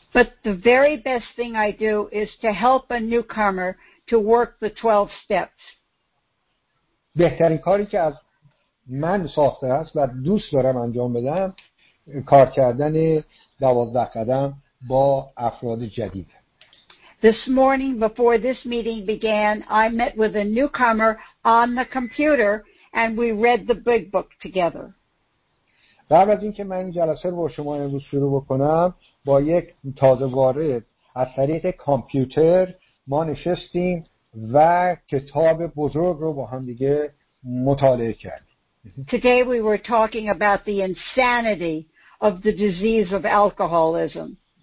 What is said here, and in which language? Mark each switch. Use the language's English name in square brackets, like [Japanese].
[English] But the very best thing I do is to help a newcomer to work the 12 steps. [Persian] بهترین کاری که از من ساخته است و دوست دارم انجام بدم کار کردن 12 قدم با افراد جدید. [English] This morning before this meeting began, I met with a newcomer on the computer and we read the big book together. [Persian] قبل از اینکه من این جلسه رو با شما امروز شروع بکنم با یک تازه وارد از طریق کامپیوتر ما نشستیم و کتاب بزرگ رو با هم دیگه مطالعه کردیم. [English] Today we were talking about the insanity of the disease of alcoholism.